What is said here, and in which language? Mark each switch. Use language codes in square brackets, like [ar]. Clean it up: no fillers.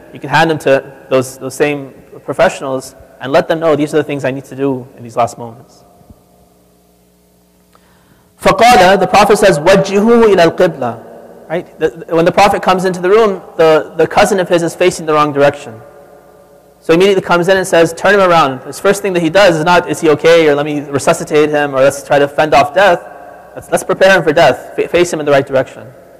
[en] You can hand them to those same professionals and let them know, these are the things I need to do in these last moments. [ar] فَقَالَ, [en] the Prophet says, [ar] وَجِّهُهُ إِلَى الْقِبْلَى. [en] Right? When the Prophet comes into the room, the cousin of his is facing the wrong direction. So he immediately comes in and says, turn him around. His first thing that he does is not, is he okay, or let me resuscitate him, or let's try to fend off death. Let's prepare him for death. Face him in the right direction.